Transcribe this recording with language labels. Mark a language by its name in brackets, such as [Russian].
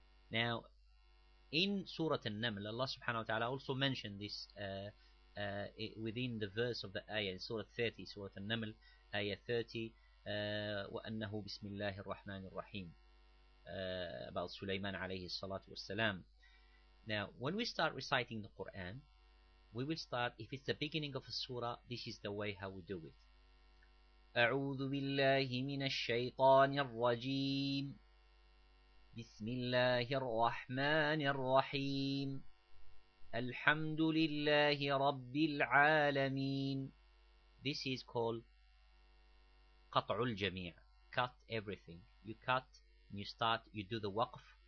[English] Now, in Surah An-Naml, Allah subhanahu wa ta'ala also mentioned this within the verse of the ayah, Surah 30, Surah An-Naml, ayah 30, [Arabic] وَأَنَّهُ بِسْمِ اللَّهِ الرَّحْمَنِ الرَّحِيمِ, [English] about Sulaiman alayhi salatu wasalam. Now, when we start reciting the Quran, we will start, if it's the beginning of a surah, this is the way how we do it. [Arabic] أَعُوذُ بِاللَّهِ مِنَ الشَّيْطَانِ الرَّجِيمِ بسم الله الرحمن الرحيم الحمد لله رب العالمين. [English] This is called [Arabic] قطع الجميع. [English] Cut everything. You cut and you start, you do the waqf.